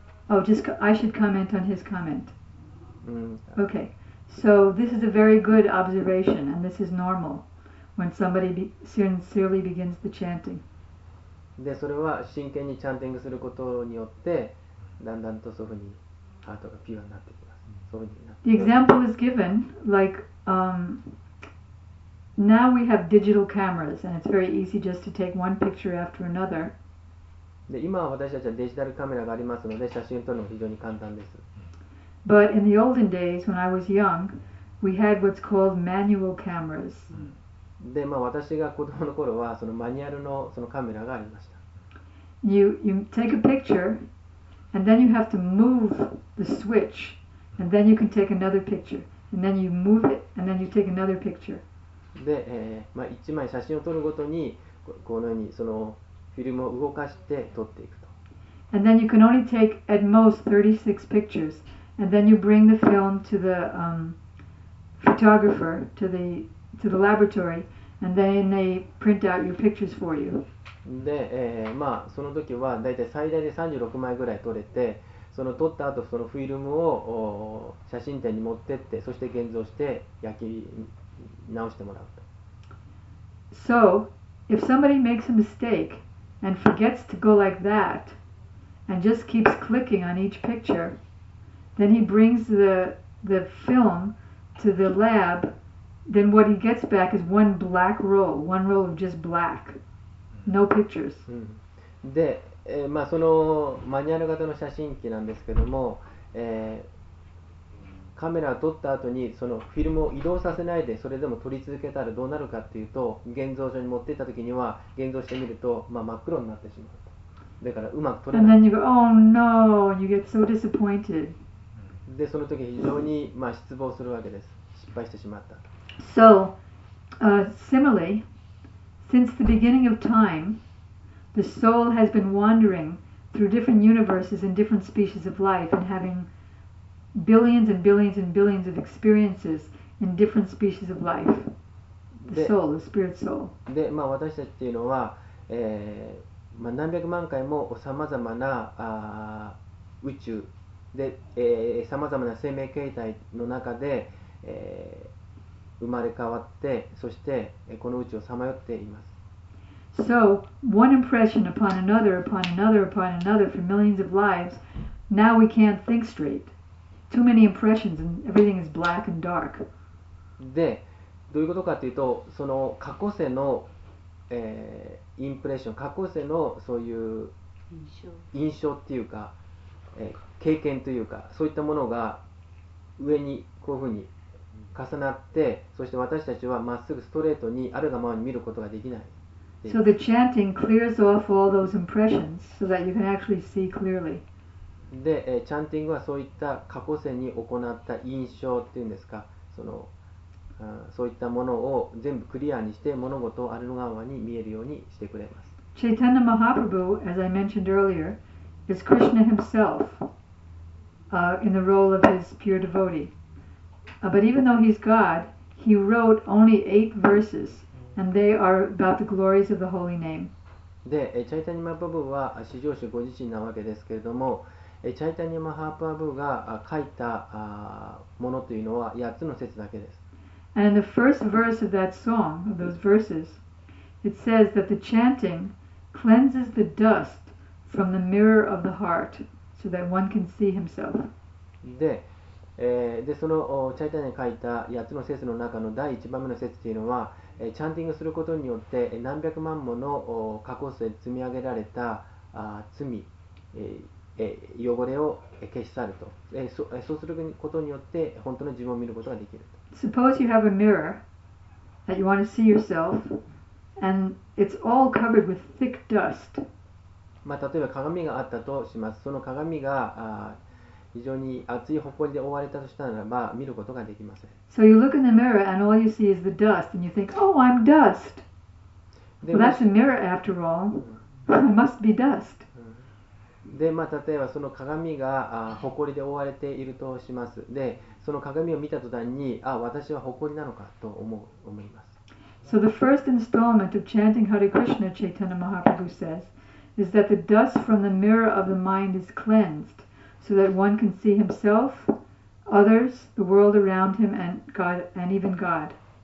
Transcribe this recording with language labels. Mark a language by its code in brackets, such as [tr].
[en] Oh, just I should comment on his comment. Mm. Okay, so this is a very good observation, and this is normal when somebody sincerely begins the chanting. [ja] で、それは真剣にチャンティングすることによって、だんだんとそういうふうにハートがピュアになってきます。そういうふうになって。 [en] The example is given, like, now we have digital cameras, and it's very easy just to take one picture after another. [ja] で今は私たちはデジタルカメラがありますので写真を撮るのが非常に簡単です。 [en] But in the olden days, when I was young, we had what's called manual cameras. [ja] で、まあ、私が子供の頃はそのマニュアル そのカメラがありました。 [en] You take a picture, and then you have to move the switch, and then you can take another picture, and then you move it, and then you take another picture. [ja] で、まあ、1枚写真を撮るごとに このようにそのフィルムを動かして撮っていくと。 [en] And then you can only take at most 36 pictures, and then you bring the film to the photographer to the laboratory, And then they print out your pictures for you. [ja] で、まあその時はだいたい最大で36枚ぐらい撮れて、その撮った後そのフィルムを写真展に持ってって、そして現像して焼き直してもらうと。 [en] So, if somebody makes a mistake and forgets to go like that and just keeps clicking on each picture, then he brings the film to the lab, then what he gets back is one roll of just black, no pictures. [ja] で、まあそのマニュアル型の写真機なんですけども、カメラを撮った後にそのフィルムを移動させないでそれでも撮り続けたらどうなるかっていうと、現像所に持っていった時には現像してみると、まあ、真っ黒になってしまう。だからうまく撮れない。 [en] And then you go, oh no, you get so disappointed. [ja] でその時非常に、まあ、失望するわけです。失敗してしまった。 [en] So, similarly, since the beginning of time, the soul has been wandering through different universes and different species of life and having billions and billions and billions of experiences in different species of life. The soul, the spirit soul. [ja] で、まあ、私たちっていうのは、まあ、何百万回もさまざまな宇宙で、さまざまな生命形態の中で、生まれ変わって、そしてこの宇宙をさまよっています。 [en] So, one impression upon another, upon another, upon another for millions of lives, now we can't think straight. Too many impressions and everything is black and dark. [ja] で、どういうことかというと、その過去世の、インプレッション、過去世のそういう印象っていうか、経験というか、そういったものが上にこういうふうに重なって、そして私たちはまっすぐストレートにあるがままに見ることができない。 [en] So the chanting clears off all those impressions so that you can actually see clearly. [ja] で、チャンティングはそういった過去世に行った印象っていうんですか、その、そういったものを全部クリアにして物事をあるのがままに見えるようにしてくれます。 [en] チェイタンナ・マハプラブー、as I mentioned earlier, is Krishna himself, in the role of his pure devotee. But even though he's God, he wrote only 8 verses, and they are about the glories of the holy name. [ja] で、チェイタンナ・マハプラブーは至上主ご自身なわけですけれども、チャイタニア・マハープラブーが書いたものというのは8つの節だけです。 [en] And in the first verse of that song, of those verses, it says that the chanting cleanses the dust from the mirror of the heart so that one can see himself. [ja] で、でそのチャイタニアが書いた8つの節の中の第1番目の節というのは、チャンティングすることによって何百万もの過去世で積み上げられた罪、汚れを消し去ると、そうすることによって本当の自分を見ることができる。 [en] Suppose you have a mirror that you want to see yourself, and it's all covered with thick dust. [ja] まあ、例えば鏡があったとします。その鏡が非常に厚い埃で覆われたとしたならば見ることができません。 [en] So you look in the mirror and all you see is the dust, and you think, "Oh, I'm dust." Well, that's a mirror after all. It must be dust. [ja] で、まあ、例えばその鏡が埃で覆われているとします。で、その鏡を見た途端に、あ、私は埃なのかと思います。 [en] So the first installment of chanting Hare Krishna Chaitanya Mahaprabhu says is that the dust from the mirror of the mind is cleansed so that one can see himself, others, the world around him and God, and even God.